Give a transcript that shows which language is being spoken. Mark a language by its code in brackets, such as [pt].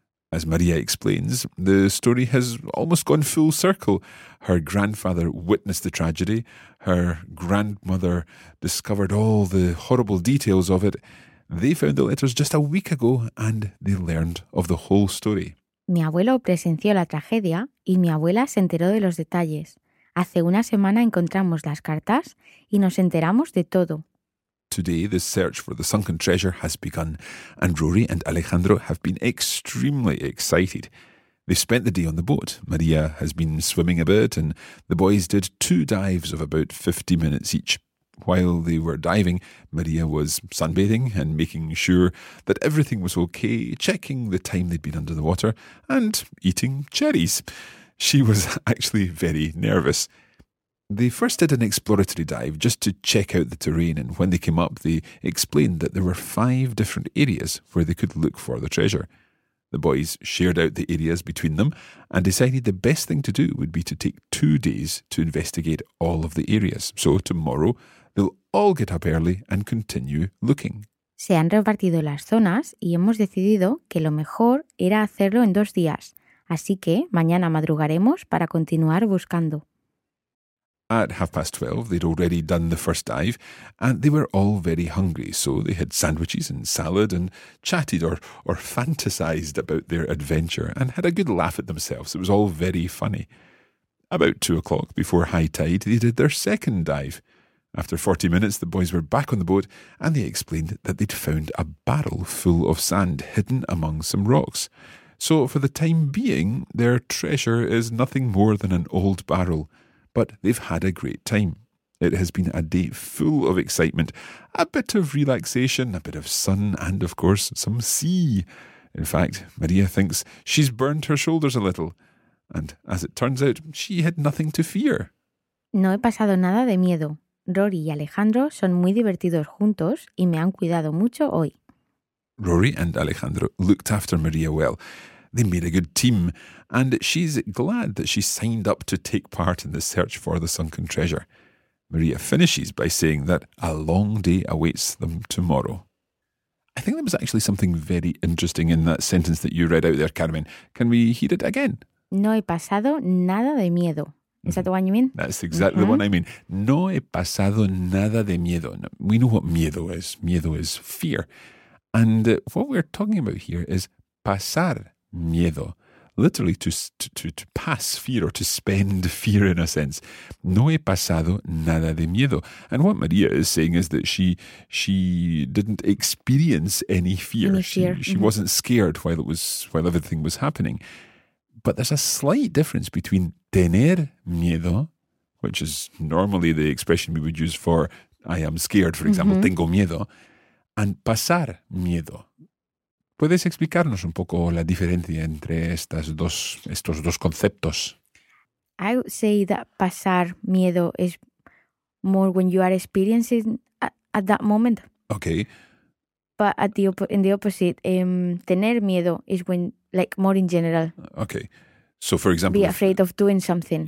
[en] As Maria explains, the story has almost gone full circle. Her grandfather witnessed the tragedy. Her grandmother discovered all the horrible details of it. They found the letters just a week ago and they learned of the whole story. [es] Mi abuelo presenció la tragedia y mi abuela se enteró de los detalles. Hace una semana encontramos las cartas y nos enteramos de todo. [en] Today, the search for the sunken treasure has begun, and Rory and Alejandro have been extremely excited. They spent the day on the boat. Maria has been swimming a bit, and the boys did two dives of about 50 minutes each. While they were diving, Maria was sunbathing and making sure that everything was okay, checking the time they'd been under the water, and eating cherries. She was actually very nervous. They first did an exploratory dive just to check out the terrain, and when they came up, they explained that there were five different areas where they could look for the treasure. The boys shared out the areas between them and decided the best thing to do would be to take 2 days to investigate all of the areas. So tomorrow, they'll all get up early and continue looking. [es] Se han repartido las zonas y hemos decidido que lo mejor era hacerlo en 2 días. Así que mañana madrugaremos para continuar buscando. [en] At 12:30, they'd already done the first dive and they were all very hungry, so they had sandwiches and salad and chatted or fantasized about their adventure and had a good laugh at themselves. It was all very funny. About 2:00, before high tide, they did their second dive. After 40 minutes, the boys were back on the boat and they explained that they'd found a barrel full of sand hidden among some rocks. So for the time being, their treasure is nothing more than an old barrel. But they've had a great time. It has been a day full of excitement, a bit of relaxation, a bit of sun, and of course, some sea. In fact, Maria thinks she's burned her shoulders a little. And as it turns out, she had nothing to fear. [es] No he pasado nada de miedo. Rory y Alejandro son muy divertidos juntos y me han cuidado mucho hoy. [en] Rory and Alejandro looked after Maria well. They made a good team, and she's glad that she signed up to take part in the search for the sunken treasure. Maria finishes by saying that a long day awaits them tomorrow. I think there was actually something very interesting in that sentence that you read out there, Carmen. Can we hear it again? [es] No he pasado nada de miedo. [en] Is that the one you mean? That's exactly the one I mean. [es] No he pasado nada de miedo. [en] We know what miedo is. Miedo is fear. And what we're talking about here is pasar miedo. Literally to pass fear or to spend fear in a sense. No he pasado nada de miedo. And what Maria is saying is that she didn't experience any fear. She wasn't scared while everything was happening. But there's a slight difference between tener miedo, which is normally the expression we would use for I am scared, for example, tengo miedo, and pasar miedo. [es] ¿Puedes explicarnos un poco la diferencia entre estos dos conceptos? [en] I would say that pasar miedo is more when you are experiencing at that moment. Okay. But in the opposite, tener miedo is when, like, more in general. Okay. So, for example... Be afraid of doing something.